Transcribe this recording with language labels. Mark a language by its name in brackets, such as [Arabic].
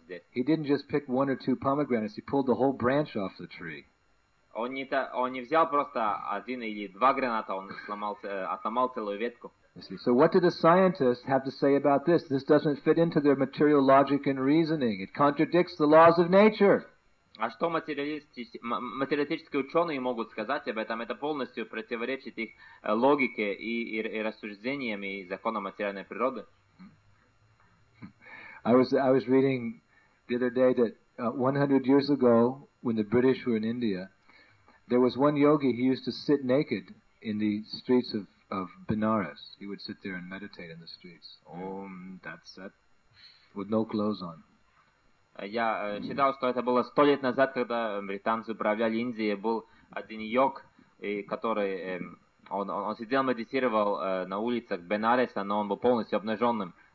[English] He didn't just pick one or two pomegranates, he pulled the whole branch off the tree. [Russian] Он не взял просто один или два граната, он сломал, отломал целую ветку. [English] So what did the scientists have to say about this? This doesn't fit into their material logic and reasoning. It contradicts the laws of nature. [Russian] А что материалистические ученые могут сказать об этом? Это полностью противоречит их логике и рассуждениям и законам материальной природы. [English] I was reading the other day that 100 years ago, when the British were in India, there was one yogi, he used to sit naked in the streets of Benares. He would sit there and meditate in the streets. Om Tat Sat, with no clothes on. [Russian] Я читал, что это было 100 лет назад, когда британцы управляли Индией, был один йог, который он сидел, медитировал на улицах Бенареса, но он был полностью обнаженным.